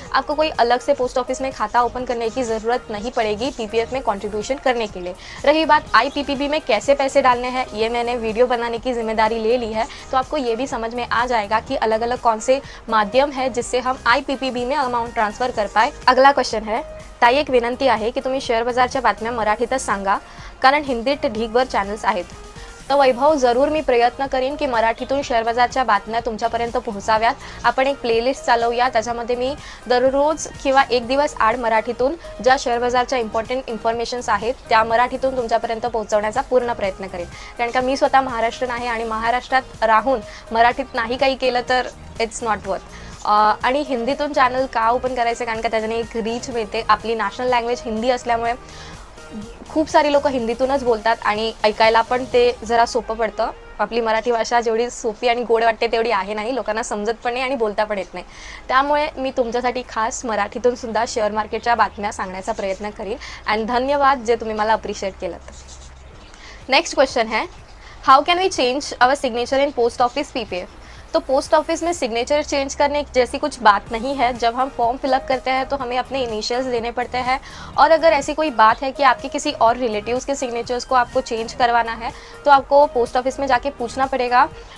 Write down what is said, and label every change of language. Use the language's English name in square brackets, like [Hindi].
[Hindi] आपको कोई अलग से पोस्ट ऑफिस में खाता ओपन करने की ज़रूरत नहीं पड़ेगी पीपीएफ में कॉन्ट्रीब्यूशन करने के लिए। रही बात आईपीपीबी में कैसे पैसे डालने हैं, ये मैंने वीडियो बनाने की जिम्मेदारी ले ली है, तो आपको ये भी समझ में आ जाएगा कि अलग अलग कौन से माध्यम है जिससे हम आईपीपीबी में अमाउंट ट्रांसफर कर पाए। अगला क्वेश्चन है, [Marathi] ताई एक विनंती आहे की तुम्ही शेअर बाजारच्या बातम्या मराठीतच सांगा, कारण हिंदीत ढीगभर चॅनल्स आहेत। तो वैभव, जरूर मी प्रयत्न करीन की मराठीतून शेअर बाजारच्या बातम्या तुमच्यापर्यंत पोहोचाव्यात। आपण एक प्लेलिस्ट चालवूया, त्याच्यामध्ये मी दररोज किंवा एक दिवस आड मराठीतून ज्या शेअर बाजारच्या इम्पॉर्टंट इन्फॉर्मेशन्स आहेत त्या मराठीतून तुमच्यापर्यंत पोहोचवण्याचा पूर्ण प्रयत्न करेन। कारण का मी स्वतः महाराष्ट्र नाही आणि महाराष्ट्रात राहून मराठीत नाही काही केलं तर [English] It's not worth. [Marathi] आणि हिंदीतून चॅनल का ओपन करायचं, कारण का त्याच्याने एक रीच मिळते। आपली नॅशनल लँग्वेज हिंदी असल्यामुळे खूप सारी लोकं हिंदीतूनच बोलतात आणि ऐकायला पण ते जरा सोपं पडतं। आपली मराठी भाषा जेवढी सोपी आणि गोड वाटते तेवढी आहे नाही, लोकांना समजत पण नाही आणि बोलता पण येत नाही। त्यामुळे मी तुमच्यासाठी खास मराठीतून सुद्धा शेअर मार्केटच्या बातम्या सांगण्याचा प्रयत्न करीन। अँड धन्यवाद जे तुम्ही मला अप्रिशिएट केलं। [English] Next question है, how can we change our signature in post office PPF? [Hindi] तो पोस्ट ऑफिस में सिग्नेचर चेंज करने जैसी कुछ बात नहीं है। जब हम फॉर्म फिलअप करते हैं तो हमें अपने इनिशियल्स देने पड़ते हैं, और अगर ऐसी कोई बात है कि आपके किसी और रिलेटिव्स के सिग्नेचर्स को आपको चेंज करवाना है तो आपको पोस्ट ऑफिस में जाके पूछना पड़ेगा।